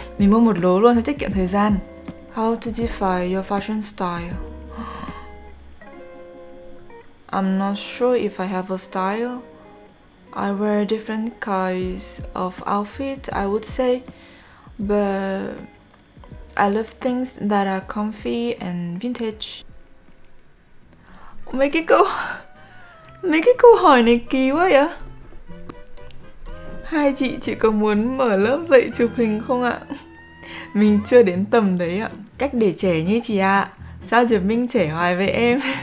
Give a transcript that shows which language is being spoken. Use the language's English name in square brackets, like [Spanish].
[Vietnamese] Mình mua một lố luôn để tiết kiệm thời gian. [English] How to define your fashion style? I'm not sure if I have a style. I wear different kinds of outfits, I would say. But I love things that are comfy and vintage. [Vietnamese] Mấy cái câu hỏi này kỳ quá vậy? Hai chị có muốn mở lớp dạy chụp hình không ạ? Mình chưa đến tầm đấy ạ. Cách để trẻ như chị ạ. Sao Diệp Minh trẻ hoài với em?